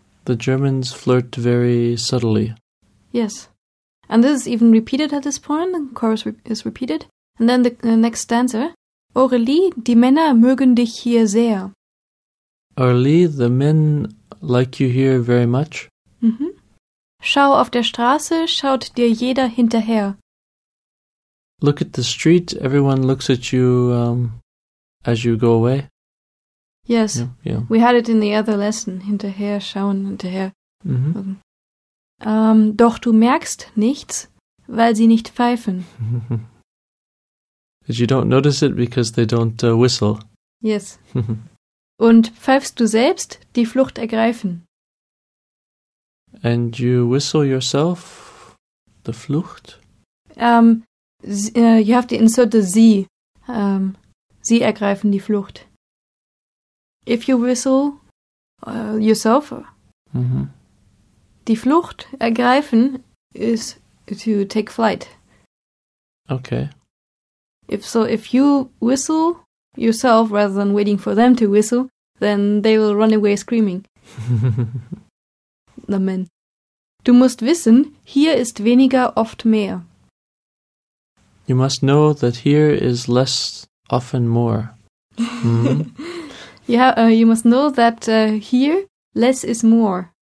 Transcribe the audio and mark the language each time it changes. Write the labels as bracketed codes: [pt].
[en] The Germans flirt very subtly. Yes. And this is even repeated at this point. The chorus is repeated. And then the next stanza. [de] Aurélie, die Männer mögen dich hier sehr. [en] Aurélie, the men like you here very much. Mm-hmm. [de] Schau auf der Straße, schaut dir jeder hinterher. [en] Look at the street, everyone looks at you as you go away. Yes, yeah. We had it in the other lesson, [de] hinterher, schauen, hinterher. [en] Mm-hmm. [de] Doch du merkst nichts, weil sie nicht pfeifen. [en] You don't notice it because they don't whistle. [de] Yes. Und pfeifst du selbst die Flucht ergreifen? [en] And you whistle yourself the Flucht? You have to insert the sie. [de] Sie ergreifen die Flucht. [en] If you whistle yourself, mm-hmm. [de] Die Flucht ergreifen [en] is to take flight. Okay. If you whistle yourself rather than waiting for them to whistle, then they will run away screaming. The men. [de] Du musst wissen, hier ist weniger oft mehr. [en] You must know that here is less often more. Mm-hmm. Yeah, you must know that here less is more.